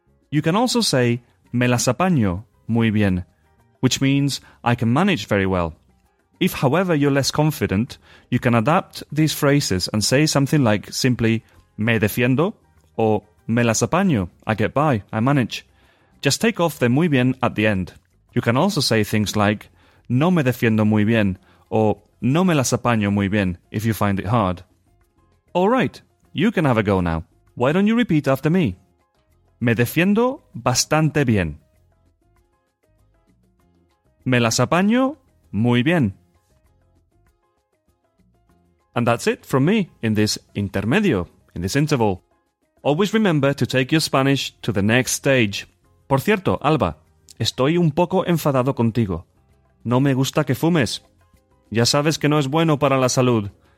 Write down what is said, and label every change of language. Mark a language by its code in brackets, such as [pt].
[en] You can also say, [es] me las apaño muy bien, [en] which means I can manage very well. If, however, you're less confident, you can adapt these phrases and say something like simply, [es] me defiendo, [en] or [es] me las apaño, [en] I get by, I manage. Just take off the [es] muy bien [en] at the end. You can also say things like, [es] no me defiendo muy bien, [en] or [es] no me las apaño muy bien, [en] if you find it hard. All right, you can have a go now. Why don't you repeat after me? [es] Me defiendo bastante bien. Me las apaño muy bien. [en] And that's it from me in this intermedio, in this interval. Always remember to take your Spanish to the next stage. [es] Por cierto, Alba, estoy un poco enfadado contigo. No me gusta que fumes. Ya sabes que no es bueno para la salud.